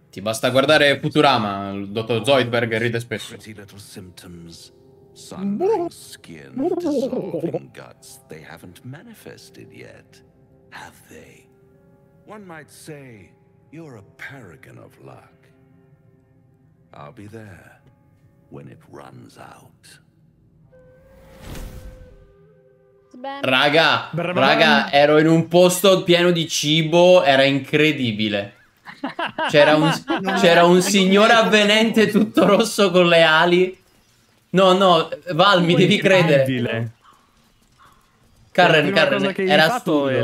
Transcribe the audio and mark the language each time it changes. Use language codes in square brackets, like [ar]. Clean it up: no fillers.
[it] Ti basta guardare Futurama, il dottor Zoidberg ride spesso. [en] Pretty little symptoms. Sunburned skin, dissolving guts. They haven't manifested yet, have they? One might say you're a paragon of luck. I'll be there when it runs out. [it] Raga, raga, ero in un posto pieno di cibo, era incredibile. C'era un, c'era un signore avvenente tutto rosso con le ali. No, no, Val, mi devi credere. Karen, Karen, era stupido.